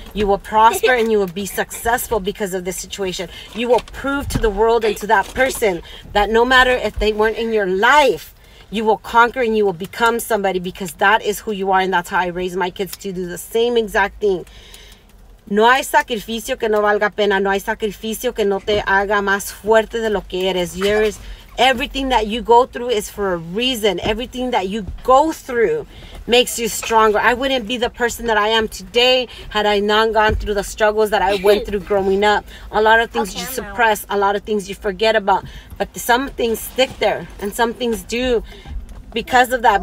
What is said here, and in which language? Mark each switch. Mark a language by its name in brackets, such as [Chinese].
[English] You will prosper and you will be successful because of this situation. You will prove to the world and to that person that no matter if they weren't in your life, you will conquer and you will become somebody, because that is who you are, and that's how I raise my kids, to do the same exact thing. [Spanish] No hay sacrificio que no valga pena. No hay sacrificio que no te haga más fuerte de lo que eres. [English] Everything that you go through is for a reason. Everything that you go through makes you stronger. I wouldn't be the person that I am today had I not gone through the struggles that I went through growing up. A lot of things you suppress. A lot of things you forget about. But some things stick there, and some things do because of that.